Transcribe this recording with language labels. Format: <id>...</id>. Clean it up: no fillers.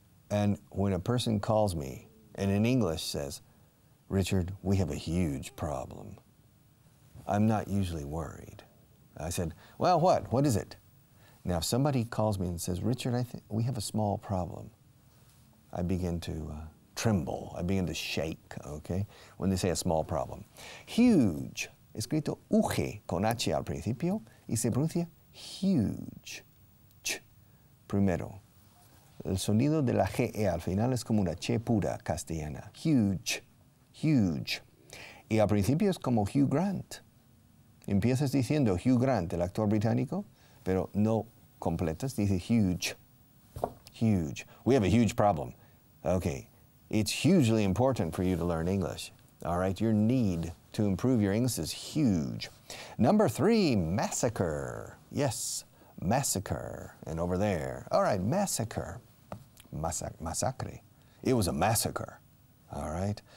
<en>And when a person calls me and in English says, Richard, we have a huge problem, I'm not usually worried. I said, well, what? What is it? Now, if somebody calls me and says, Richard, we have a small problem, I begin to tremble, I begin to shake, okay, when they say a small problem.</en> <es>Huge, escrito uge con h al principio, y se pronuncia huge, ch, primero. El sonido de la ge al final es como una che pura castellana, huge, huge. Y al principio es como Hugh Grant. Empiezas diciendo Hugh Grant, el actor británico, pero no completas, dice huge, huge.</es> <en>We have a huge problem. Okay, it's hugely important for you to learn English. All right, your need to improve your English is huge. Number three, massacre. Yes, massacre, and over there. All right, massacre, massacre. It was a massacre, all right?</en>